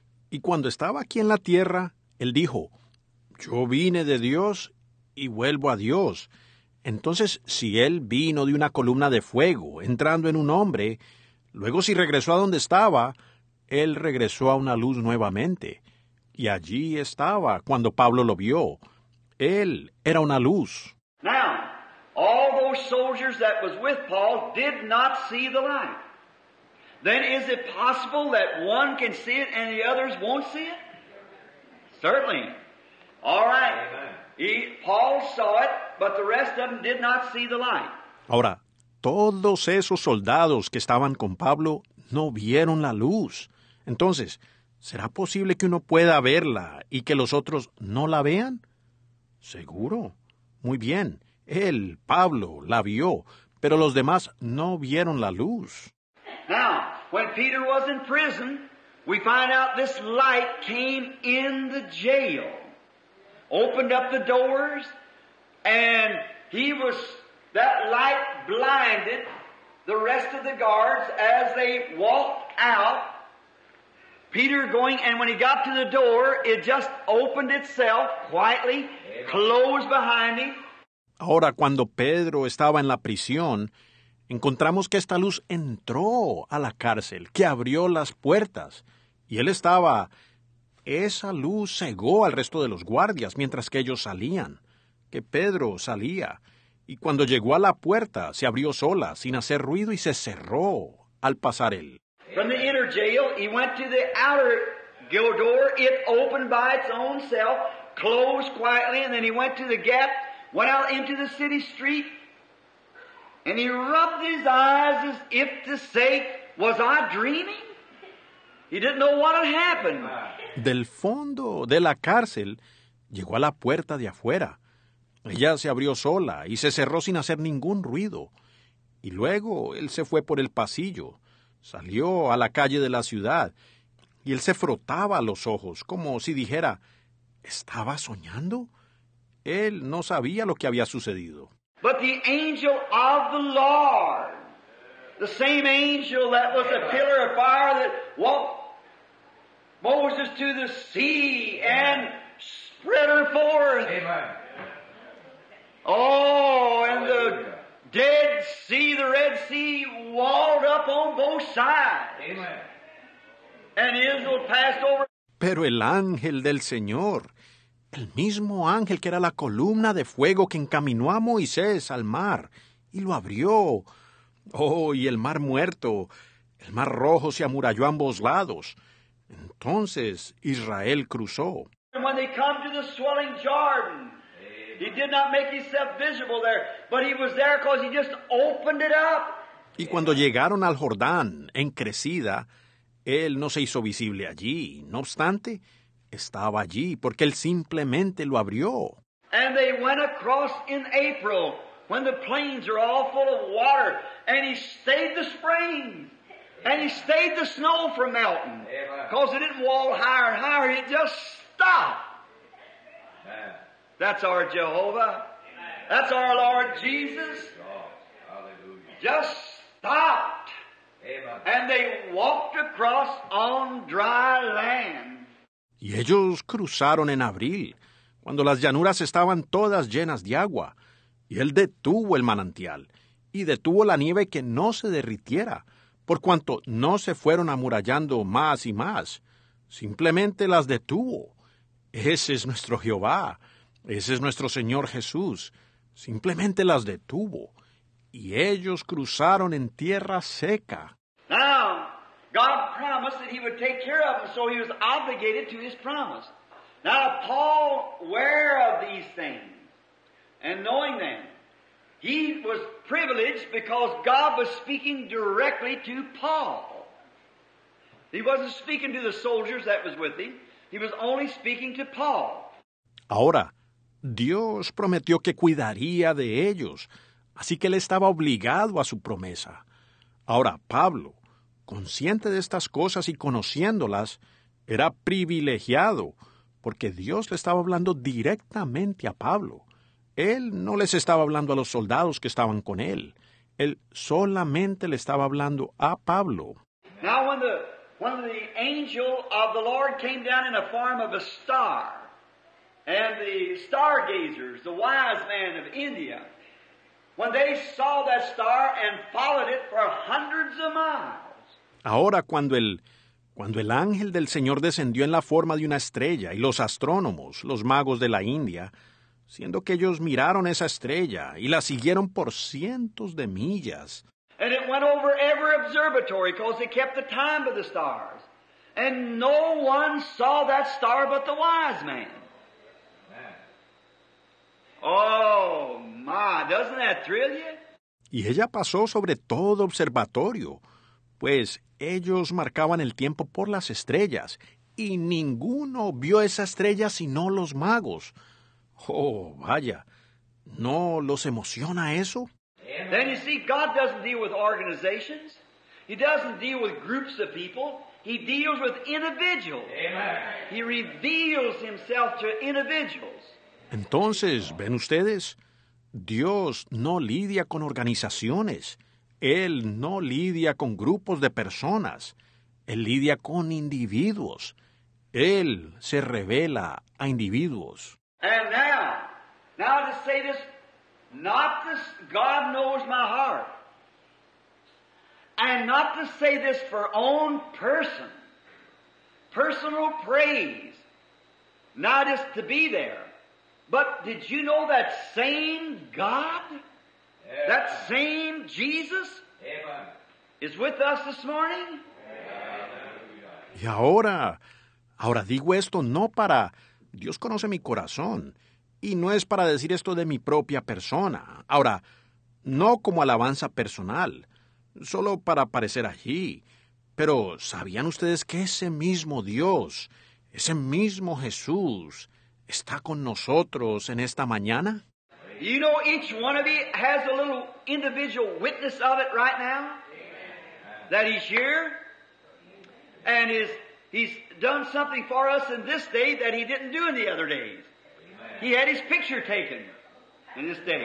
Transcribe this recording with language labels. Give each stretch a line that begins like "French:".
Spanish: Y cuando estaba aquí en la tierra, él dijo, Yo vine de Dios y vuelvo a Dios. Entonces, si él vino de una columna de fuego, entrando en un hombre, luego si regresó a donde estaba, él regresó a una luz nuevamente. Y allí estaba cuando Pablo lo vio. Él era una luz.
English: Now, all those soldiers that was with Paul did not see the light. Then is it possible that one can see it and the others won't see it? Certainly. All right. Paul saw it, but the rest of them did not see the light.
Spanish: Ahora, todos esos soldados que estaban con Pablo no vieron la luz. Entonces, ¿será posible que uno pueda verla y que los otros no la vean? Seguro. Muy bien. Él, Pablo, la vio, pero los demás no vieron la luz.
English: Now, when Peter was in prison, we find out this light came in the jail, opened up the doors, and that light blinded the rest of the guards as they walked out. Peter going, and when he got to the door, it just opened itself quietly, closed behind him.
Spanish: Ahora, cuando Pedro estaba en la prisión, encontramos que esta luz entró a la cárcel, que abrió las puertas. Y él estaba... Esa luz cegó al resto de los guardias mientras que ellos salían, que Pedro salía. Y cuando llegó a la puerta, se abrió sola, sin hacer ruido, y se cerró al pasar él.
English: From the inner jail, he went to the outer jail door. It opened by its own self, closed quietly, and then he went to the gap, went out into the city street, and he rubbed his eyes as if to say, was I dreaming? He didn't know what had happened.
Spanish: Del fondo de la cárcel, llegó a la puerta de afuera. Ella se abrió sola y se cerró sin hacer ningún ruido. Y luego él se fue por el pasillo, salió a la calle de la ciudad, y él se frotaba los ojos como si dijera, ¿estaba soñando? Él no sabía lo que había sucedido.
English: But the angel of the Lord, the same angel that was a pillar of fire that walked Moses to the sea and spread her forth. Amen. Oh, and the Dead Sea, the Red Sea, walled up on both sides. Amen. And Israel passed over.
Spanish: Pero el ángel del Señor, el mismo ángel que era la columna de fuego que encaminó a Moisés al mar y lo abrió. Oh, y el mar muerto, el mar rojo se amuralló a ambos lados. Entonces Israel cruzó.
English: And when they come to the swelling Jordan, he did not make himself visible there, but he was there because he just opened it up.
Spanish: Y cuando llegaron al Jordán en crecida, él no se hizo visible allí. No obstante, estaba allí porque él simplemente lo abrió.
English: And they went across in April when the plains are all full of water, and he stayed the spring. And he stayed the snow from melting. Because it didn't wall higher and higher. It just stopped. Amen. That's our Jehovah. Amen. That's our Lord Jesus. Hallelujah. Just stopped. Amen. And they walked across on dry land.
Spanish: Y ellos cruzaron en abril, cuando las llanuras estaban todas llenas de agua. Y él detuvo el manantial. Y detuvo la nieve que no se derritiera. Por cuanto no se fueron amurallando más y más, simplemente las detuvo. Ese es nuestro Jehová, ese es nuestro Señor Jesús. Simplemente las detuvo, y ellos cruzaron en tierra seca.
English: Now, God promised that he would take care of them, so he was obligated to his promise. Now, Paul, aware of these things, and knowing them, he was privileged because God was speaking directly to Paul. He wasn't speaking to the soldiers that was with him. He was only speaking to Paul.
Spanish: Ahora, Dios prometió que cuidaría de ellos, así que él estaba obligado a su promesa. Ahora, Pablo, consciente de estas cosas y conociéndolas, era privilegiado porque Dios le estaba hablando directamente a Pablo. Él no les estaba hablando a los soldados que estaban con él. Él solamente le estaba hablando a Pablo.
English: Now when the angel of the Lord came down in a form of a star, And the stargazers, the wise men of India, when they saw that star and followed it for hundreds of miles.
Spanish: Ahora, cuando el ángel del Señor descendió en la forma de una estrella, y los astrónomos, los magos de la India, siendo que ellos miraron esa estrella y la siguieron por cientos de millas.
English: And it went over every observatory because they kept the time of the stars. And no one saw that star but the wise man. Oh, my, doesn't that thrill you?
Spanish: Y ella pasó sobre todo observatorio, pues ellos marcaban el tiempo por las estrellas, y ninguno vio esa estrella sino los magos. Oh, vaya, ¿no los emociona eso?
English: Then you see, God doesn't deal with organizations. He doesn't deal with groups of people. He deals with individuals. Amen. He reveals himself to individuals.
Spanish: Entonces, ¿ven ustedes? Dios no lidia con organizaciones. Él no lidia con grupos de personas. Él lidia con individuos. Él se revela a individuos.
English: And now to say this, not this, God knows my heart. And not to say this for own person, personal praise, not just to be there. But did you know that same God, Amen. That same Jesus, Amen. Is with us this morning? Amen.
Spanish: Y ahora digo esto no para, Dios conoce mi corazón, y no es para decir esto de mi propia persona. Ahora, no como alabanza personal, solo para aparecer allí. Pero, ¿sabían ustedes que ese mismo Dios, ese mismo Jesús, está con nosotros en esta mañana?
English: You know, each one of you has a little individual witness of it right now. Amen. That he's here. And he's done something for us in this day that he didn't do in the other days. Amen. He had his picture taken in this day.